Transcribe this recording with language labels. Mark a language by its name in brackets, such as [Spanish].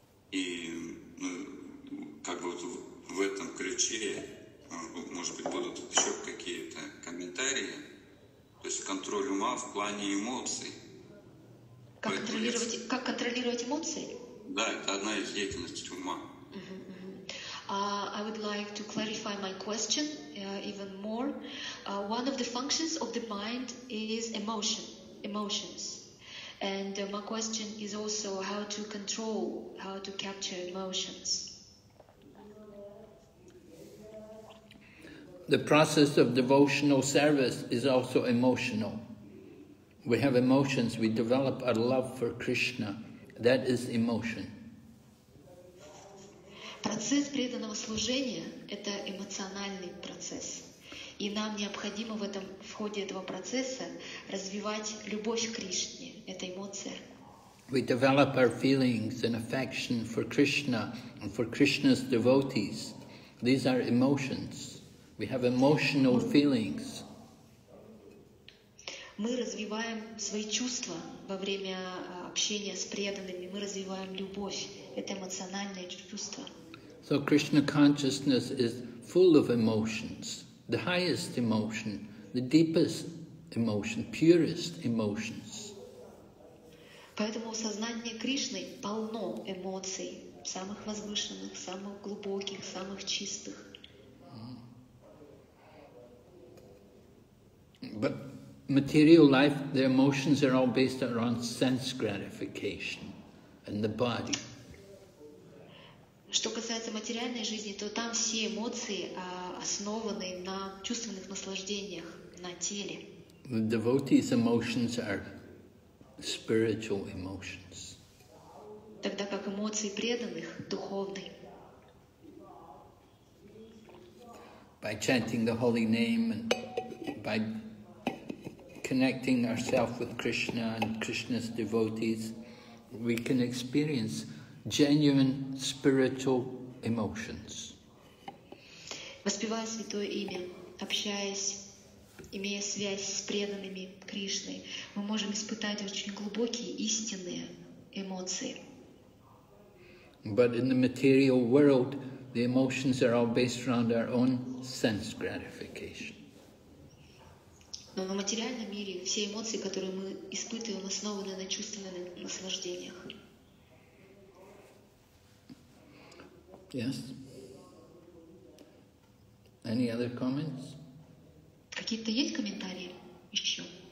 [Russian] И ну, как бы вот в этом ключе, может быть, будут еще какие-то комментарии. То есть контроль ума в плане эмоций. Как контролировать эмоции? Да, это одна из деятельностей ума. [English] I would like to clarify my question even more. One of the functions of the mind is emotions. And my question is also how to control, how to capture emotions. The process of devotional service is also emotional. We have emotions, we develop our love for Krishna. That is emotion. [Russian] Процесс преданного служения – это эмоциональный процесс. И нам необходимо в этом, в ходе этого процесса развивать любовь к Кришне. Это эмоция. [English] We develop our feelings and affection for Krishna and for Krishna's devotees. These are emotions. We have emotional feelings. [Russian] Мы развиваем свои чувства во время общения с преданными. Мы развиваем любовь. Это эмоциональное чувство. [English] So Krishna consciousness is full of emotions, the highest emotion, the deepest emotion, purest emotions. [Russian] Поэтому сознание Кришны полно эмоций, самых возвышенных, самых глубоких, самых чистых. [English] But material life, the emotions are all based around sense gratification and the body. [Russian] Что касается материальной жизни, то там все эмоции основаны на чувственных наслаждениях, на теле. [English] The devotee's emotions are spiritual emotions. [Russian] Тогда как эмоции преданных духовные. [English] By chanting the holy name and by connecting ourselves with Krishna and Krishna's devotees, we can experience genuine spiritual emotions. [Russian] Воспевая святое имя, общаясь, имея связь с преданными Кришной, мы можем испытать очень глубокие истинные эмоции. [English] But in the material world, the emotions are all based around our own sense gratification. [Russian] Но в материальном мире все эмоции, которые мы испытываем, основаны на чувственных наслаждениях. [English] Yes. Any other comments? [Russian] Какие-то есть комментарии еще?